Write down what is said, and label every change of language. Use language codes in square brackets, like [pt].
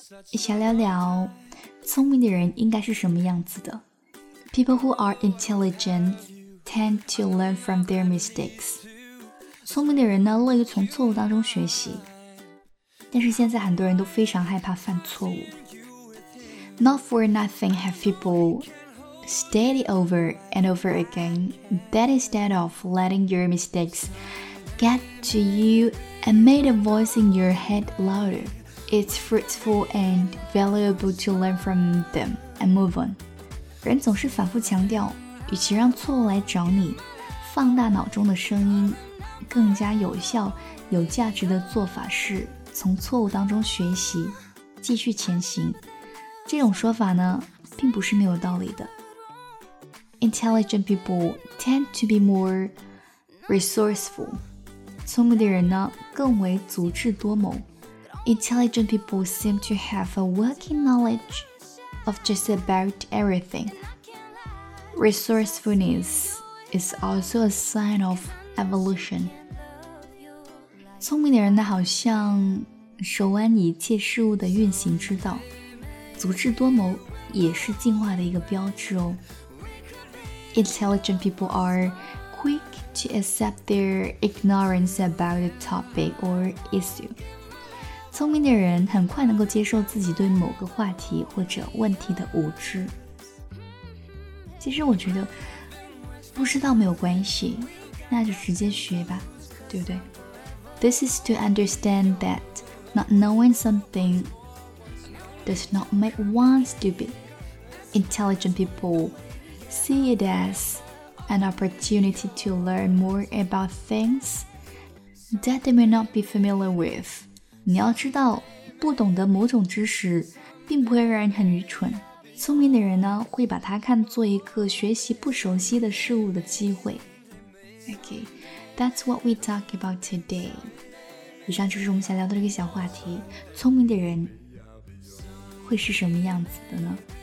[zh] 一起来聊聊聪明的人应该是什么样子的。 [en] People who are intelligent tend to learn from their mistakes. [zh] 聪明的人呢，乐于从错误当中学习。但是现在很多人都非常害怕犯错误。 [en] Not for nothing have people study over and over again, that instead of letting your mistakes get to you and make a voice in your head louder, it's fruitful and valuable to learn from them and move on. [zh] 人总是反复强调，与其让错误来找你，放大脑中的声音，更加有效、有价值的做法是从错误当中学习，继续前行。这种说法呢，并不是没有道理的。 [en] Intelligent people tend to be more resourceful. [zh] 聪明的人呢，更为足智多谋。 [en] Intelligent people seem to have a working knowledge of just about everything. Resourcefulness is also a sign of evolution. [zh] 聪明的人呢，好像熟谙一切事物的运行之道。足智多谋也是进化的一个标志哦。 [en] Intelligent people are quick to accept their ignorance about a topic or issue. [zh] 聪明的人很快能够接受自己对某个话题或者问题的无知。其实我觉得不知道没有关系，那就直接学吧，对不对？ [en] This is to understand that not knowing somethingdoes not make one stupid. Intelligent people see it as an opportunity to learn more about things that they may not be familiar with. [zh] 你要知道，不懂得某种知识并不会让人很愚蠢。聪明的人呢，会把它看作一个学习不熟悉的事物的机会。 [en] Okay, that's what we talk about today. [zh] 以上就是我们想聊的这个小话题，聪明的人会是什么样子的呢？